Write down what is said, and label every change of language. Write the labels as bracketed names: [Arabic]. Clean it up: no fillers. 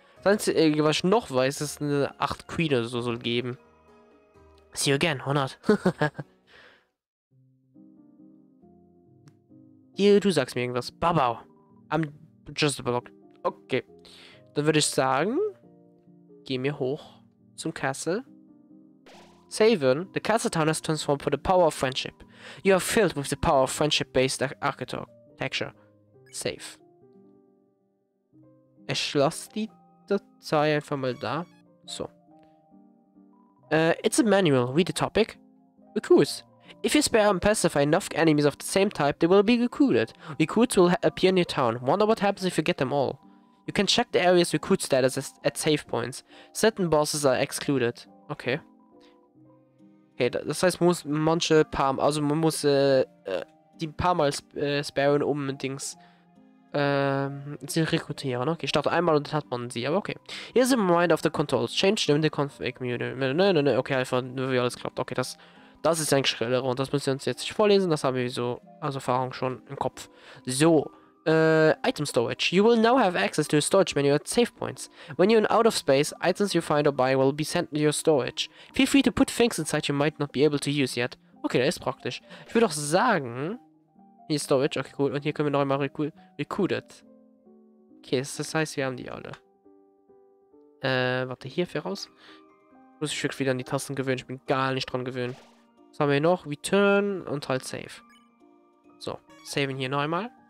[German] Sonst, was ich noch weiß, ist eine 8 Queen oder so soll geben. [English] See you again, or not? [German] du sagst mir irgendwas. Babau. [English] I'm just blocked. [German] Okay. Dann würde ich sagen, geh mir hoch zum Castle. [English] Saven, the castle town has transformed for the power of friendship. You are filled with the power of friendship-based architecture. Safe. [German] Er schloss die Datei einfach mal da. So. [English] It's a manual. Read the topic. Recruits. If you spare and pacify enough enemies of the same type, they will be recruited. Recruits will appear near town. Wonder what happens if you get them all. You can check the area's recruit status at save points. Certain bosses are excluded. Okay. [German] Okay, das heißt, muss manche paar, also man muss die paar Mal sparen, um Dings sie rekrutieren. Okay, ich dachte einmal und dann hat man sie, aber okay. [English] Here's a reminder of the controls. Change them in the config menu. Nein. [German] Okay, einfach nur wie alles klappt. Okay, das ist ein Schriller und das müssen wir uns jetzt nicht vorlesen. Das haben wir so aus Erfahrung schon im Kopf. [English] So. Item storage. You will now have access to a storage menu at save points. When you're in out of space, items you find or buy will be sent to your storage. Feel free to put things inside you might not be able to use yet. [German] Okay, das ist praktisch. Ich würde auch sagen, hier ist Storage, okay cool, und hier können wir noch einmal recruited. Okay, das heißt, wir haben die alle. Warte, hier fährt raus. Muss ich wirklich wieder an die Tasten gewöhnen, ich bin gar nicht dran gewöhnt. Was haben wir hier noch? Return und halt save. So, saven hier noch einmal.